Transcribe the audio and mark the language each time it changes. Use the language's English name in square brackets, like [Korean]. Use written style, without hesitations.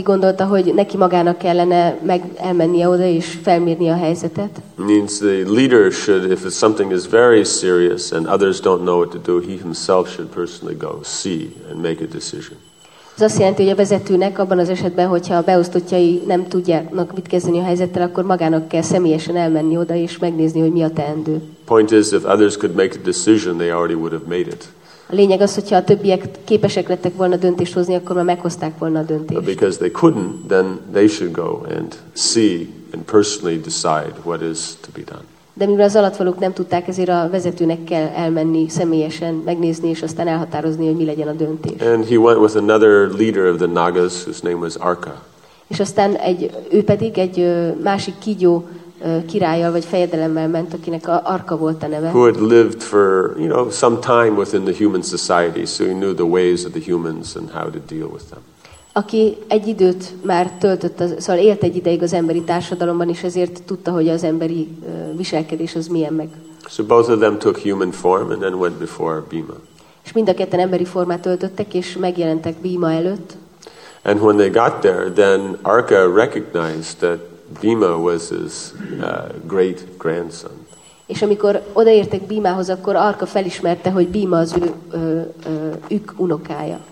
[Hungarian] gondolta, hogy neki magának kellene elmennie oda és felmérni a helyzetet. [English] Means the leader should, if something is very serious and others don't know what to do, he himself should personally go see and make a decision. [Hungarian] Ez azt jelenti, hogy a vezetőnek abban az esetben, hogyha a beosztottjai nem tudják mit kezdeni a helyzettel, akkor magának kell személyesen elmenni oda és megnézni, hogy mi a teendő. [English] Point is, if others could make a decision, they already would have made it. [Hungarian] A lényeg az, hogyha a többiek képesek lettek volna döntést hozni, akkor már meghozták volna a döntést. [English] But because they couldn't, then they should go and see and personally decide what is to be done. [Hungarian] De mivel az alattvalók nem tudták, ezért a vezetőnek kell elmenni személyesen, megnézni és aztán elhatározni, hogy mi legyen a döntés. [English] And he went with another leader of the Nagas, whose name was Arka. [Hungarian] És aztán ő pedig egy másik kígyó királlyal vagy fejedelemmel ment, akinek Arka volt a neve. [English] Who had lived for, you know, some time within the human society, so he knew the ways of the humans and how to deal with them. [Hungarian] Aki egy időt már töltött, szóval élt egy ideig az emberi társadalomban, és ezért tudta, hogy az emberi viselkedés az milyen meg. [English] So both of them took human form and then went before Bhima. [Hungarian] És mind a ketten emberi formát öltöttek, és megjelentek Bhima előtt. [English] And when they got there, then Arka recognized that Bhima was his great grandson. [Hungarian] És amikor odaértek Bhimához, akkor Arka felismerte, hogy Bhima az ők unokája.